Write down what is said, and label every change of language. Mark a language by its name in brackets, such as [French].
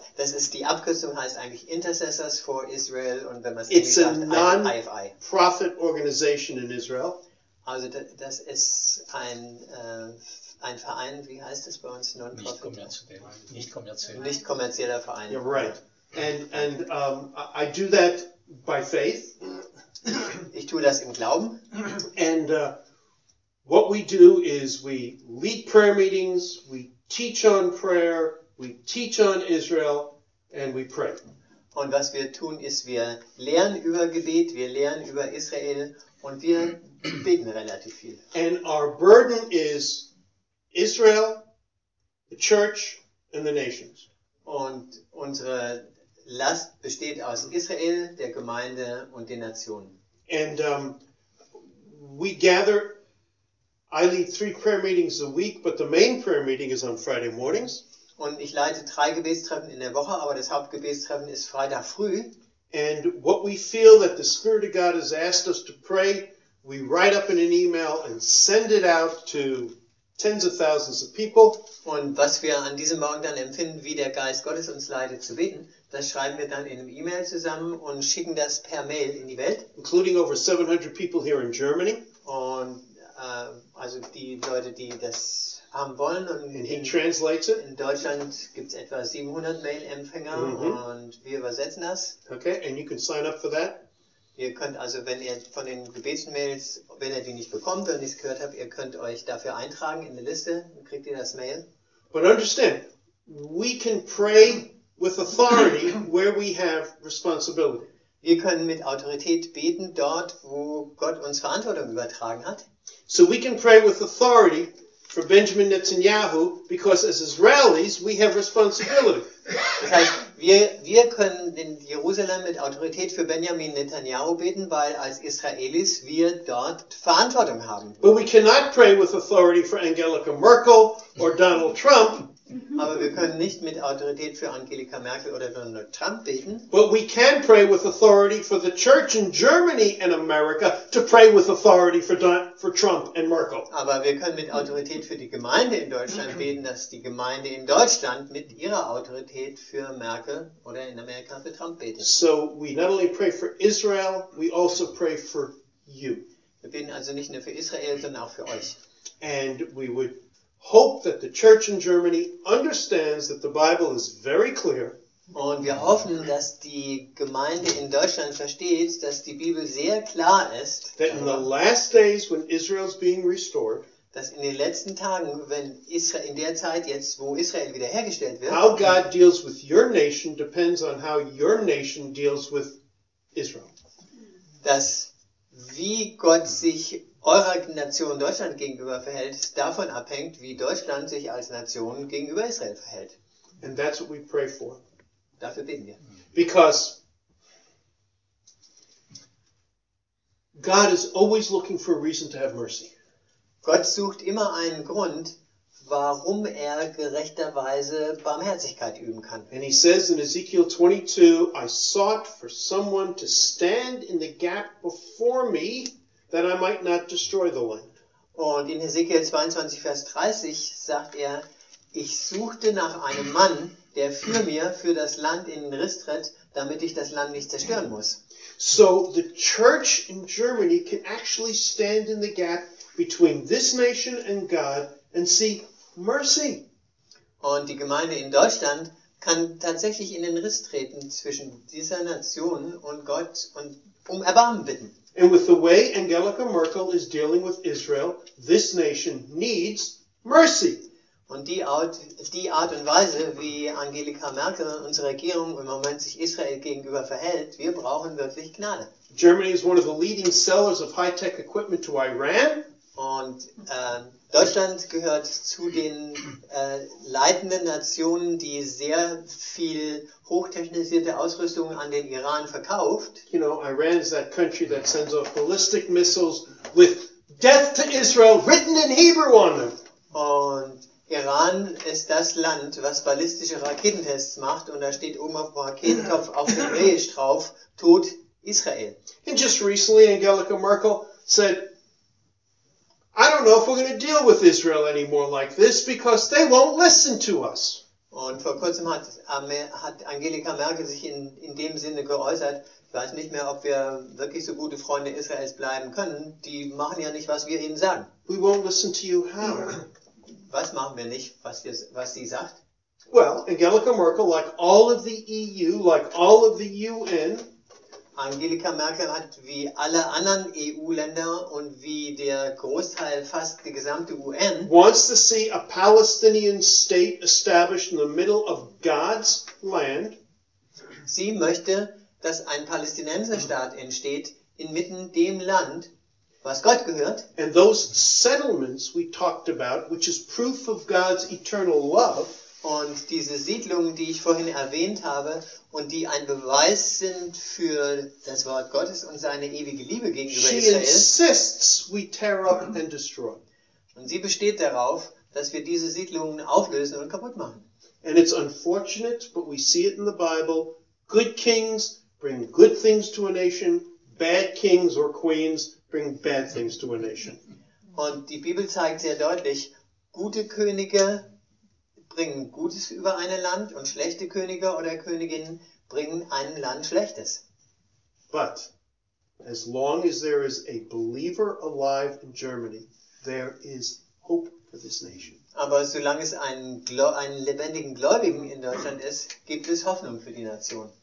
[German] Das ist die Abkürzung, heißt eigentlich Intercessors for Israel, und wenn man es nicht sagt, IFI. [English] Profit organization in Israel. [German] Also das ist ein Verein, wie heißt das bei uns? Nicht kommerzieller Verein. [English] You're right. And I do that by faith. [German] Ich tue das im Glauben. [English] What we do is we lead prayer meetings, we teach on prayer, we teach on Israel, and we pray. [German] Und was wir tun ist, wir lehren über Gebet, wir lehren über Israel, und wir beten relativ viel. [English] And our burden is Israel, the church, and the nations. [German] Und unsere Last besteht aus Israel, der Gemeinde und den Nationen. [English] And we gather. I lead three prayer meetings a week, but the main prayer meeting is on Friday mornings. [German] Und ich leite drei Gebetstreffen in der Woche, aber das Hauptgebetstreffen ist Freitag früh. [English] And what we feel that the Spirit of God has asked us to pray, we write up in an email and send it out to tens of thousands of people. [German] Und was wir an diesem Morgen dann empfinden, wie der Geist Gottes uns leitet zu beten, das schreiben wir dann in einem E-Mail zusammen und schicken das per Mail in die Welt. [English] Including over 700 people here in Germany. [German] Und also die Leute, die das haben wollen. Und [English] he translates it. [German] In Deutschland gibt es etwa 700 Mail-Empfänger, mm-hmm. und wir übersetzen das. [English] Okay, and you can sign up for that. [German] Ihr könnt also, wenn ihr von den Gebetsmails, wenn ihr die nicht bekommt und nichts gehört habt, ihr könnt euch dafür eintragen in eine Liste, dann kriegt ihr das Mail. [English] But understand, we can pray with authority where we have responsibility. [German] Wir können mit Autorität beten dort, wo Gott uns Verantwortung übertragen hat. [English] So we can pray with authority for Benjamin Netanyahu, because as Israelis we have responsibility. [German] Das heißt, wir können in Jerusalem mit Autorität für Benjamin Netanyahu beten, weil als Israelis wir dort Verantwortung haben. [English] But we cannot pray with authority for Angela Merkel or Donald Trump. [German] Aber wir können nicht mit Autorität für Angela Merkel oder Donald Trump beten. [English] But we can pray with authority for the church in Germany and America to pray with authority for Trump and Merkel. [German] Aber wir können mit Autorität für die Gemeinde in Deutschland beten, dass die Gemeinde in Deutschland mit ihrer Autorität für Merkel oder in Amerika für Trump betet. [English] So we not only pray for Israel, we also pray for you. [German] Wir beten also nicht nur für Israel, sondern auch für euch. [English] And we would hope that the church in Germany understands that the Bible is very clear. [German] Und wir hoffen, dass die Gemeinde in Deutschland versteht, dass die Bibel sehr klar ist. [English] That in the last days when Israel is being restored, [German] dass in den letzten Tagen, wenn Israel, in der Zeit jetzt, wo Israel wiederhergestellt wird, [English] how God deals with your nation depends on how your nation deals with Israel. [German] Dass wie Gott sich eurer Nation Deutschland gegenüber verhält, davon abhängt, wie Deutschland sich als Nation gegenüber Israel verhält. [English] And that's what we pray for. [German] Dafür beten wir. [English] Because God is always looking for a reason to have mercy. [German] Gott sucht immer einen Grund, warum er gerechterweise Barmherzigkeit üben kann. [English] And he says in Ezekiel 22, I sought for someone to stand in the gap before me, that I might not destroy the land. [German] Und in Hesekiel 22, Vers 30 sagt er, ich suchte nach einem Mann, der für mir, für das Land in den Riss tritt, damit ich das Land nicht zerstören muss. [English] So the church in Germany can actually stand in the gap between this nation and God and seek mercy. [German] Und die Gemeinde in Deutschland kann tatsächlich in den Riss treten zwischen dieser Nation und Gott und um Erbarmen bitten. [English] And with the way Angela Merkel is dealing with Israel, this nation needs mercy. [German] Und die Art und Weise, wie Angela Merkel und unsere Regierung im Moment sich Israel gegenüber verhält, wir brauchen wirklich Gnade. [English] Germany is one of the leading sellers of high-tech equipment to Iran. [German] Und Deutschland gehört zu den leitenden Nationen, die sehr viel hochtechnisierte Ausrüstung an den Iran verkauft. [English] You know, Iran is that country that sends off ballistic missiles with death to Israel written in Hebrew on them. [German] Und Iran ist das Land, was ballistische Raketentests macht und da steht oben auf dem Raketenkopf auf Hebräisch drauf, Tod Israel. [English] And just recently Angela Merkel said, I don't know if we're going to deal with Israel anymore like this because they won't listen to us. [German] Und vor kurzem hat Angela Merkel sich in dem Sinne geäußert, ich weiß nicht mehr, ob wir wirklich so gute Freunde Israels bleiben können. Die machen ja nicht, was wir ihnen sagen. [English] We won't listen to you how? [German] Was machen wir nicht, was sie sagt? [English] Well, Angela Merkel, like all of the EU, like all of the UN, [German] Angela Merkel hat wie alle anderen EU-Länder und wie der Großteil fast die gesamte UN [English] wants to see a Palestinian state established in the middle of God's land. [German] Sie möchte, dass ein Palästinenserstaat entsteht inmitten dem Land, was Gott gehört. [English] And those settlements we talked about, which is proof of God's eternal love. [German] Und diese Siedlungen, die ich vorhin erwähnt habe und die ein Beweis sind für das Wort Gottes und seine ewige Liebe gegenüber [English] she [German] Israel, [English] insists we tear up and destroy. [German] Und sie besteht darauf, dass wir diese Siedlungen auflösen und kaputt machen. [English] And it's unfortunate, but we see it in the Bible. Good kings bring good things to a nation. Bad kings or queens bring bad things to a nation. [German] Und die Bibel zeigt sehr deutlich, gute Könige bringen Gutes über ein Land und schlechte Könige oder Königinnen bringen einem Land Schlechtes. [English] But as long as there is a believer alive in Germany, there is hope for this nation. [German] Aber solange es einen lebendigen Gläubigen in Deutschland ist, gibt es Hoffnung für die Nation.